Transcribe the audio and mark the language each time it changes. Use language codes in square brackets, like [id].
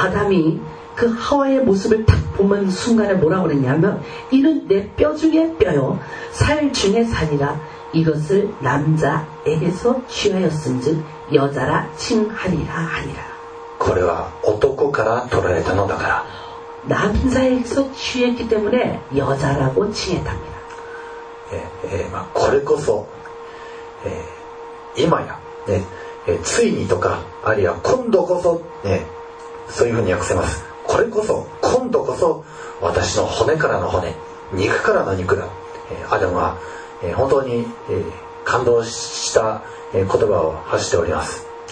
[ko] 아담이그하와의모습을딱보는순간에뭐라고그랬냐면이는내뼈중의뼈요살중의살이라이것을남자에게서취하였음즉여자라칭하리라하니라 [ja] 그れは男から取られたのだから [ko] 남자에게서취했기때문에여자라고칭했답니다 [ja] これこそ今や、ね、ついにとかあるいは今度こそ、ね、そういうふうに訳せます。これこそ今度こそ私の骨からの骨肉からの肉だ。アダムは、本当に、感動した、言葉を発しております。